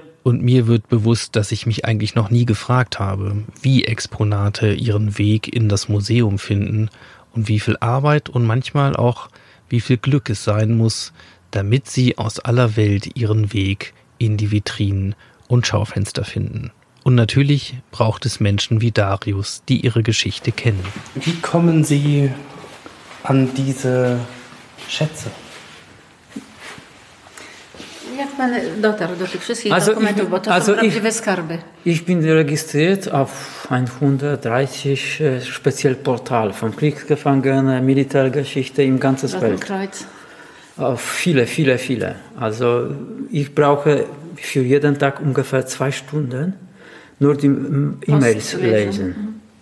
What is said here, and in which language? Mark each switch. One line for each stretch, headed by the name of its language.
German: Und mir wird bewusst, dass ich mich eigentlich noch nie gefragt habe, wie Exponate ihren Weg in das Museum finden und wie viel Arbeit und manchmal auch wie viel Glück es sein muss, damit sie aus aller Welt ihren Weg in die Vitrinen und Schaufenster finden. Und natürlich braucht es Menschen wie Darius, die ihre Geschichte kennen. Wie kommen Sie an diese Schätze?
Polish: Jak pan dotarł do tych wszystkich dokumentów, bo to są prawdziwe skarby?
German: Ich bin registriert auf 130 speziell Portal von Kriegsgefangenen, Militärgeschichte im ganzen Welt. Rotenkreuz. Auf viele, viele, viele. Also ich brauche für jeden Tag ungefähr 2 Stunden nur die E-Mails lesen.